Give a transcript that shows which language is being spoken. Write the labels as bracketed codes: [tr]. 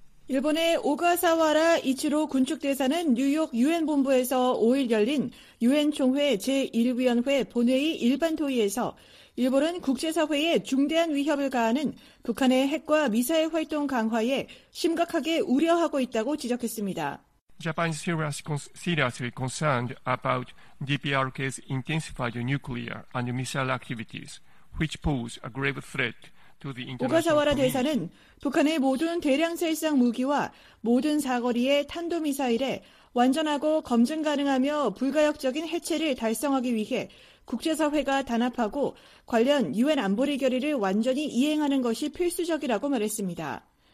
[ko] 일본의 오가사와라 이치로 군축대사는 뉴욕 유엔 본부에서 5일 열린 유엔 총회 제1위원회 본회의 일반 토의에서 일본은 국제사회에 중대한 위협을 가하는 북한의 핵과 미사일 활동 강화에 심각하게 우려하고 있다고 지적했습니다. [en] Japan's seriously concerned about DPRK's intensified nuclear and missile activities, which pose a grave threat to the international. [ko] 오가사와라 대사는 북한의 모든 대량 살상 무기와 모든 사거리의 탄도 미사일에 완전하고 검증 가능하며 불가역적인 해체를 달성하기 위해 국제사회가 단합하고 관련 유엔 안보리 결의를 완전히 이행하는 것이 필수적이라고 말했습니다.